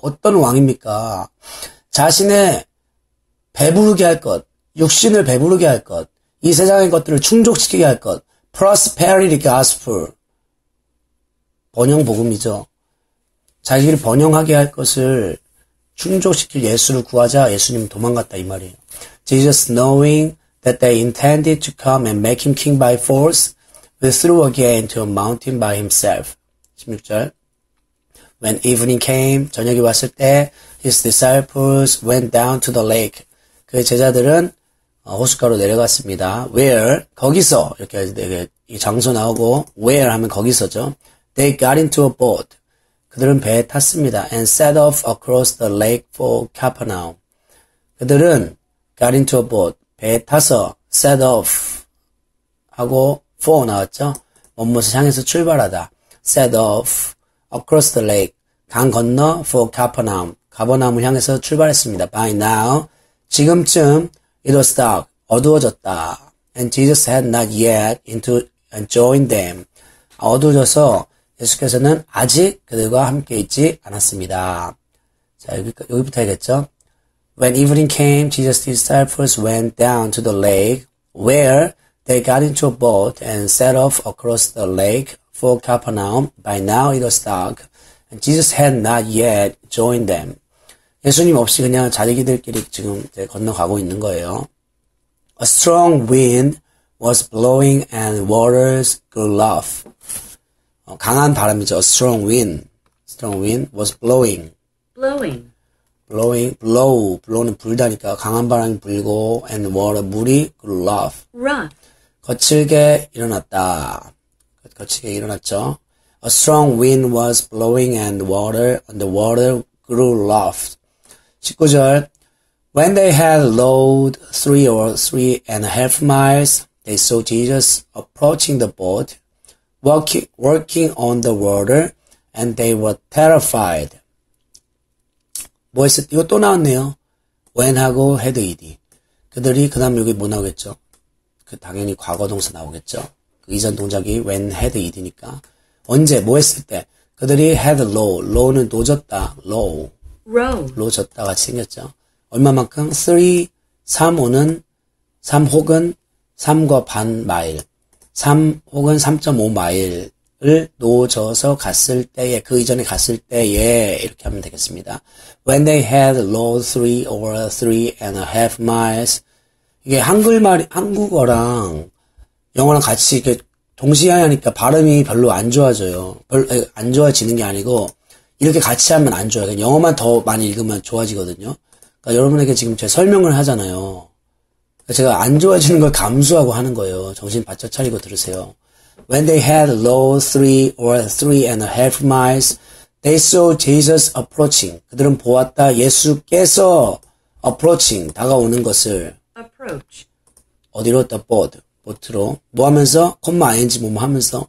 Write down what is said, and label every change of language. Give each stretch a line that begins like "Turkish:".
Korean: 어떤 왕입니까? 자신의 배부르게 할 것. 육신을 배부르게 할 것. 이 세상의 것들을 충족시키게 할 것.
English: prosperity gospel.
Korean: 번영 복음이죠. 자기를 번영하게 할 것을 충족시킬 예수를 구하자 예수님 도망갔다 이 말이에요.
English: Jesus knowing that they intended to come and make him king by force withdrew again to a mountain by himself. 16절 When evening came,
Korean: 저녁이 왔을 때
English: his disciples went down to the lake.
Korean: 그 제자들은 호숫가로 내려갔습니다. Where? 거기서 이렇게 장소 나오고 where 하면 거기서죠.
English: They got into a boat.
Korean: 그들은 배에 탔습니다.
English: And set off across the lake for Capernaum.
Korean: 그들은
English: got into a boat.
Korean: 배에 타서 set off 하고 for 나왔죠. 뭐뭐를 향해서 출발하다.
English: Set off across the lake.
Korean: 강 건너
English: for Capernaum.
Korean: 가버나움을 향해서 출발했습니다.
English: By now,
Korean: 지금쯤
English: it was dark.
Korean: 어두워졌다.
English: And Jesus had not yet into and joined them.
Korean: 어두워져서 예수께서는 아직 그들과 함께 있지 않았습니다. 자, 여기부터 해야겠죠?
English: When evening came, Jesus' disciples went down to the lake where they got into a boat and set off across the lake for Capernaum. By now it was dark. And Jesus had not yet joined them.
Korean: 예수님 없이 그냥 자기들끼리 지금 이제 건너가고 있는 거예요.
English: A strong wind was blowing and waters grew rough.
Korean: 강한 바람이죠.
English: A strong wind was blowing. Blow.
Korean: Blow는 불다니까. 강한 바람이 불고
English: and water,
Korean: 물이
English: grew rough. Rough.
Korean: 거칠게 일어났다. 거칠게 일어났죠.
English: A strong wind was blowing and the water grew rough.
Korean: 19절.
English: When they had rowed three and a half miles, they saw Jesus approaching the boat, walking on the water, and they were terrified.
Korean: 뭐였어? 이거 또 나왔네요. When 하고 had ed. 그들이, 그 다음 여기 뭐 나오겠죠? 그 당연히 과거 동사 나오겠죠? 그 이전 동작이 when had ed니까. 언제? 뭐 했을 때? 그들이 had row. row는 노졌다. row.
English: row.
Korean: 졌다 같이 생겼죠. 얼마만큼? 3, 5는, 3 혹은 3과 반 마일. 3 혹은 3.5마일을 놓쳐서 갔을 때에, 그 이전에 갔을 때에, 이렇게 하면 되겠습니다.
English: When they had rowed three and a half miles.
Korean: 이게 한국어랑 영어랑 같이 이렇게 동시에 하니까 발음이 별로 안 좋아져요. 안 좋아지는 게 아니고, 이렇게 같이 하면 안 좋아요. 영어만 더 많이 읽으면 좋아지거든요. 그러니까 여러분에게 지금 제가 설명을 하잖아요. 제가 안 좋아지는 걸 감수하고 하는 거예요. 정신 바짝 차리고 들으세요.
English: When they had rowed three and a half miles, they saw Jesus approaching.
Korean: 그들은 보았다. 예수께서 approaching, 다가오는 것을.
English: Approach.
Korean: 어디로?
English: The boat.
Korean: 보트로. 뭐 하면서? 콤마 ing 뭐 하면서?